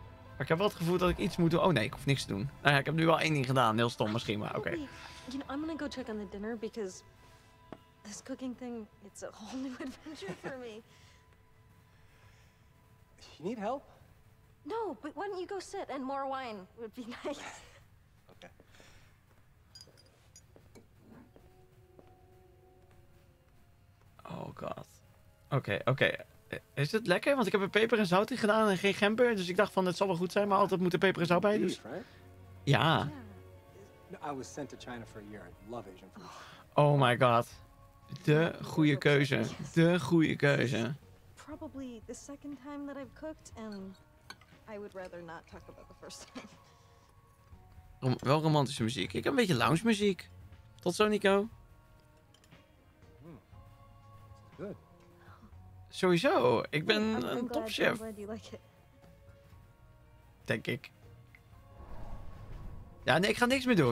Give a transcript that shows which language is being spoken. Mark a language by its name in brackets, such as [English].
[Dutch] Maar ik heb wel het gevoel dat ik iets moet doen. Oh nee, ik hoef niks te doen. Nou ja, ik heb nu wel één ding gedaan. Heel stom misschien, maar oké. [English] You know, I'm gonna go check on the dinner because this cooking thing, it's a whole new adventure for me. You need help? No, but why don't you go sit and more wine would be nice. Okay. [Dutch] Oh god. Okay. Is het lekker? Want ik heb er peper en zout in gedaan en geen gember. Dus ik dacht van, het zal wel goed zijn, maar altijd moet er peper en zout bij. Dus... Ja. [English] I was sent to China for a year. I love Asian food. Oh my god. [Dutch] De goede keuze. [English] Probably the second time that I've cooked and I would rather not talk about the first time. [Dutch] Wel romantische muziek. Ik heb een beetje lounge muziek. Tot zo, Nico. [English] Good. [Dutch] Sowieso. Ik ben een topchef. Denk ik. Ja, nee, ik ga niks meer doen.